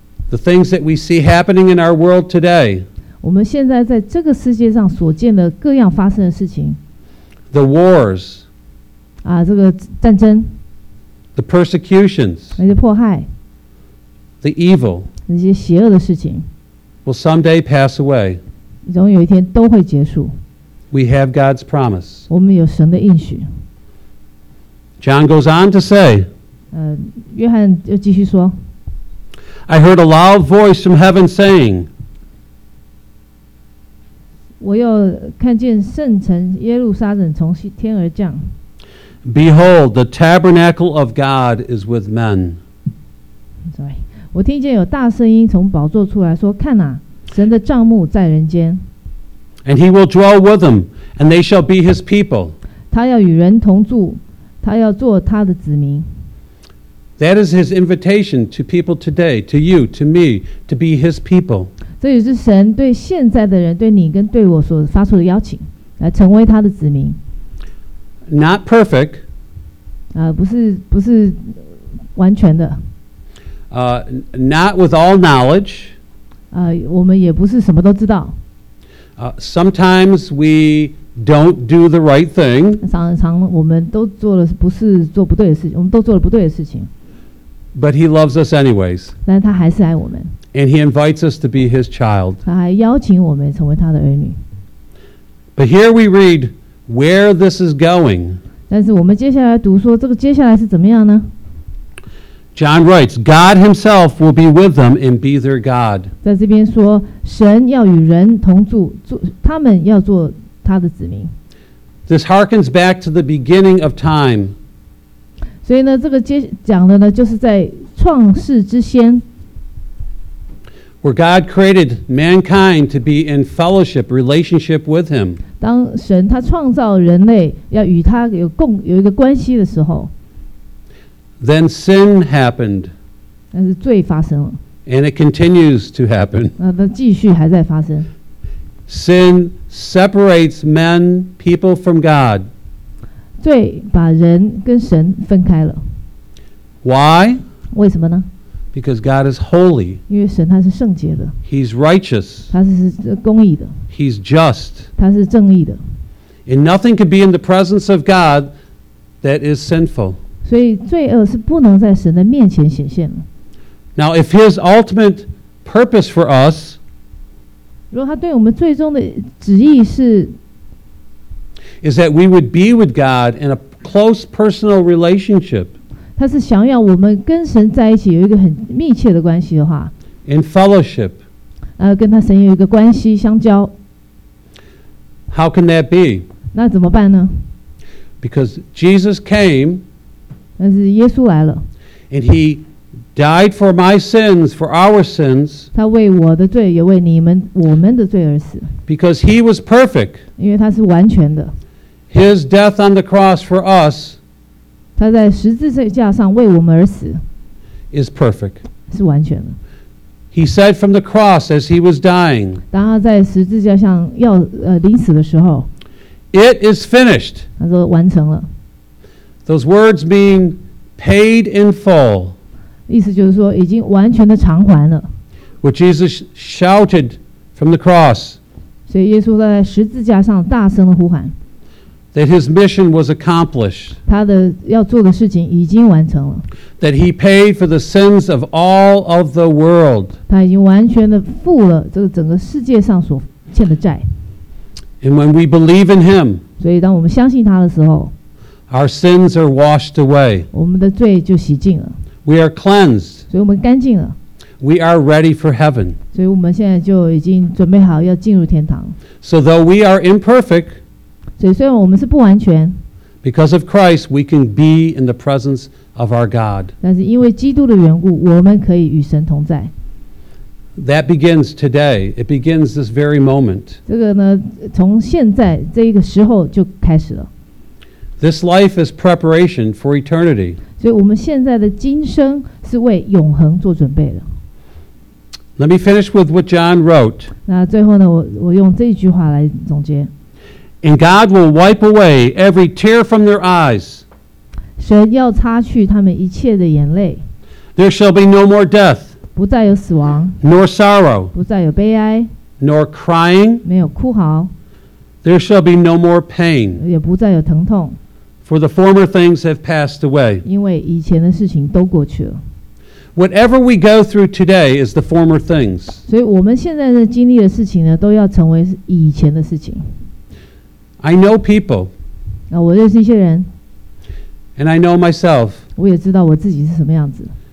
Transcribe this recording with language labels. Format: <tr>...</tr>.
<en>The things that we see happening in our world today，</en> <zh>我们现在在这个世界上所见的各样发生的事情。</zh> <en>The wars，</en> <zh>这个战争。</zh> <en>The persecutions，</en> <zh>那些迫害。</zh> <en>The evil，</en> <zh>那些邪恶的事情。</zh> <en>Will someday pass away，</en> <zh>总有一天都会结束。</zh> <en>We have God's promise，</en> <zh>我们有神的应许。</zh> <en>John goes on to say,</en> <zh>约翰又继续说，</zh> <en>I heard a loud voice from heaven saying,</en> <zh>我又看见圣城耶路撒冷从天而降，</zh> <en>Behold, the tabernacle of God is with men.</en> <zh>我听见有大声音从宝座出来说，看哪，神的帐幕在人间，</zh> <en>And he will dwell with them, and they shall be his people.</en> <zh>他要与人同住，他要做他的子民。</zh> <en>That is his invitation to people today, to you, to me, to be his people.</en> <zh>这也是神对现在的人，对你跟对我所发出的邀请，来成为他的子民。</zh> <en>Not perfect.</en> <zh>不是完全的。</zh> <en>Not with all knowledge.</en> <zh>我们也不是什么都知道。</zh> <en>Sometimes we. Don't do the right thing.</en> <zh>常我们都做了不是做不对的事情，我们都做了不对的事情。</zh> <en>But he loves us anyways.</en> <zh>但他还是爱我们。</zh> <en>And he invites us to be his child.</en> <zh>他还邀请我们成为他的儿女。</zh> <en>But here we read where this is going.</en> <zh>但是我们接下来读说这个接下来是怎么样呢？</zh> <en>John writes, God himself will be with them and be their God.</en> <zh>在这边说神要与人同住，他们要做他的子民。</zh> <en>This harkens back to the beginning of time.</en> <zh>所以呢，这个讲的呢，就是在创世之先，</zh> <en>where God created mankind to be in fellowship, relationship with Him.</en> <zh>当神他创造人类要与他有一个关系的时候，</zh> <en>then sin happened.</en> <zh>但是罪发生了，</zh> <en>and it continues to happen.</en> <zh>那继续还在发生。</zh> <en>Sin separates men, people from God.</en> <zh>罪把人跟神分开了。</zh> <en>Why?</en> <zh>为什么呢？</zh> <en>Because God is holy.</en> <zh>因为神他是圣洁的。</zh> <en>He's righteous.</en> <zh>他是公义的。</zh> <en>He's just.</en> <zh>他是正义的。</zh> <en>And nothing could be in the presence of God that is sinful.</en> <zh>所以罪恶是不能在神的面前显现的。</zh> <en>Now if His ultimate purpose for us,</en> <zh>如果他对我们最终的旨意是</zh> <en>is that we would be with God in a close personal relationship.</en> <zh>他是想要我们跟神在一起有一个很密切的关系的话。</zh> <en>In fellowship.</en> <zh>跟他神有一个关系相交。</zh> <en>How can that be?</en> <zh>那怎么办呢？</zh> <en>Because Jesus came.</en> <zh>但是耶稣来了。</zh> <en>And he died for my sins, for our sins.</en> <zh>他为我的罪，也为你们我们的罪而死。</zh> <en>Because he was perfect.</en> <zh>因为他是完全的。</zh> <en>His death on the cross for us</en> <zh>他在十字架上为我们而死</zh> <en>is perfect</en> <zh>是完全的</zh> <en>He said from the cross as he was dying</en> <zh>当他在十字架上要临死的时候</zh> <en>It is finished</en> <zh>他说完成了</zh> <en>Those words mean paid in full</en> <zh>意思就是说已经完全的偿还了</zh> <en>Which Jesus shouted from the cross</en> <zh>所以耶稣在十字架上大声的呼喊</zh> <en>That his mission was accomplished.</en> <zh>他的要做的事情已经完成了。</zh> <en>That he paid for the sins of all of the world.</en> <zh>他已经完全的付了这个整个世界上所欠的债。</zh> <en>And when we believe in him,</en> <zh>所以当我们相信他的时候，</zh> <en>our sins are washed away.</en> <zh>我们的罪就洗净了。</zh> <en>We are cleansed.</en> <zh>所以我们干净了。</zh> <en>We are ready for heaven.</en> <zh>所以我们现在就已经准备好要进入天堂。</zh> <en>So though we are imperfect,</en> <zh>所以虽然我们是不完全</zh> <en>Because of Christ, we can be in the presence of our God.</en> <zh>但是因为基督的缘故，我们可以与神同在。</zh> <en>That begins today. It begins this very moment.</en> <zh>这个呢，从现在这一个时候就开始了。</zh> <en>This life is preparation for eternity.</en> <zh>所以我们现在的今生是为永恒做准备的。</zh> <en>Let me finish with what John wrote.</en> <zh>那最后呢， 我用这一句话来总结。</zh> <en>And God will wipe away every tear from their eyes.</en> <zh>神要擦去他们一切的眼泪。</zh> <en>There shall be no more death.</en> <zh>不再有死亡。</zh> <en>Nor sorrow.</en> <zh>不再有悲哀。</zh> <en>Nor crying.</en> <zh>没有哭嚎。</zh> <en>There shall be no more pain.</en> <zh>也不再有疼痛。</zh> <en>For the former things have passed away.</en> <zh>因为以前的事情都过去了。</zh> <en>Whatever we go through today is the former things.</en> <zh>所以我们现在的经历的事情呢，都要成为以前的事情。</zh> <en>I know people.</en> <zh>那我认识一些人。</zh> <en>And I know myself.</en> <zh>我也知道我自己是什么样子。</zh>